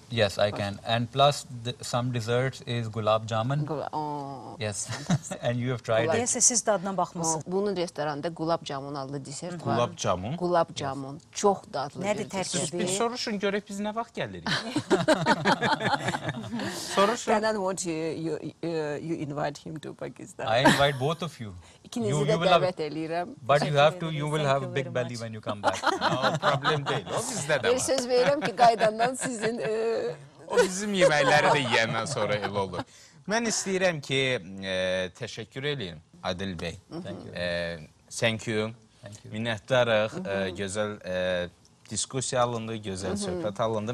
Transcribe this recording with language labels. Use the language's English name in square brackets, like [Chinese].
[English] Yes, I can. And plus, some desserts is gulab jamun. Yes. And you have tried it. [Azerbaijani] Yes, siz dadına baxmışsınız. Bunun restoranda gulab jamun adlı dessert var. Gulab jamun? Gulab jamun. Yes. Çok dadlı. Nedir tərkibi? Siz bir soruşun, görək biz nə vaxt gəlirik. Soruşun. [English] Can I want you invite him to Pakistan? I invite both of you. [Azerbaijani] İkinizi də dəvət edirəm. [English] But you have a big belly when you come back. No problem [Azerbaijani] deyil. O bizdə də var. Söz verirəm ki, qaydandan sizin... O bizim yeməkləri də yiyəndən sonra el olur. Mən istəyirəm ki, təşəkkür edeyim Adil bəy. [English] Thank you. [Azerbaijani] Minnətdarıq. Gözəl diskusiya alındı, gözəl söhbət alındı.